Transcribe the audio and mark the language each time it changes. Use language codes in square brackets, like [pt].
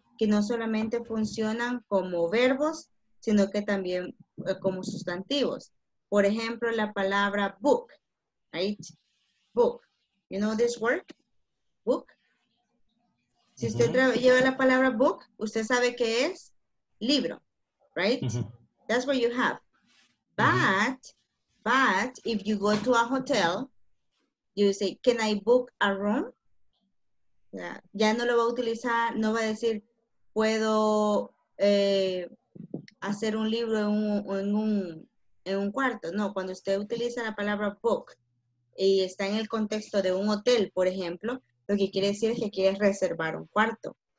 [es] que no solamente funcionan como verbos, sino que también como sustantivos. Por ejemplo, la palabra book, right? Book. [en] You know this word? [es] Book. Si usted lleva la palabra book, usted sabe que es libro, right? [en] Uh-huh. That's what you have. But if you go to a hotel, you say, can I book a room? Yeah. [es] Ya no lo va a utilizar, no va a decir, puedo hacer un libro en un cuarto. No, cuando usted utiliza la palabra book y está en el contexto de un hotel, por ejemplo, lo que quiere decir es que quiere reservar un cuarto.